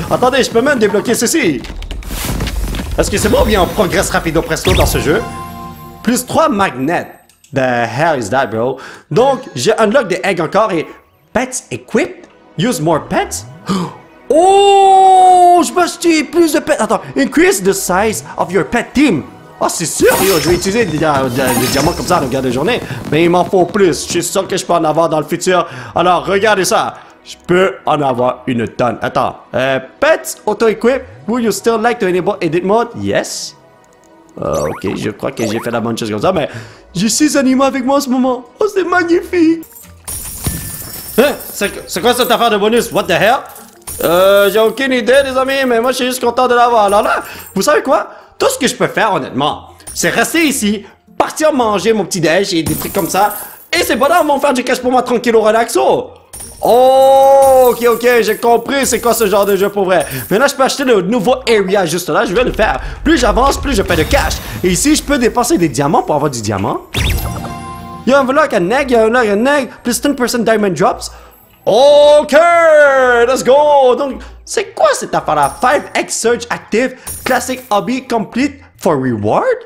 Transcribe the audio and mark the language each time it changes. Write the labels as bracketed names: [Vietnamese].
[French] Attendez, je peux même débloquer ceci. Est-ce que c'est bon ou bien on progresse rapido presto dans ce jeu? Plus 3 magnets. [English] The hell is that, bro? [French] Donc, j'ai unlocked des eggs encore et pets equipped. [English] Use more pets? [French] Oh! Je peux acheter plus de pets! [English] Attends, increase the size of your pet team! [French] Oh, c'est sûr! Yo, je vais utiliser des diamants comme ça à longueur de journée. Mais il m'en faut plus. Je suis sûr que je peux en avoir dans le futur. Alors, regardez ça! Je peux en avoir une tonne. [English] Attends. Pets auto-equip? Would you still like to enable edit mode? Yes. [French] Ok, je crois que j'ai fait la bonne chose comme ça, mais j'ai 6 animaux avec moi en ce moment. Oh, c'est magnifique! C'est quoi cette affaire de bonus? [English] What the hell? [French] J'ai aucune idée, les amis, mais moi, je suis juste content de l'avoir. Alors là, vous savez quoi? Tout ce que je peux faire, honnêtement, c'est rester ici, partir manger mon petit déj et des trucs comme ça. Et c'est bon, là, ils vont faire du cash pour moi, tranquille au relaxo. Oh, ok, j'ai compris c'est quoi ce genre de jeu pour vrai. Maintenant, je peux acheter le nouveau area juste là, je vais le faire. Plus j'avance, plus je fais de cash. Et ici, je peux dépenser des diamants pour avoir du diamant. Il y a un vlog à neg, plus 10% diamond drops. Ok, [English] let's go. [French] Donc, c'est quoi cette affaire-là? [English] 5x surge active, classic hobby complete for reward?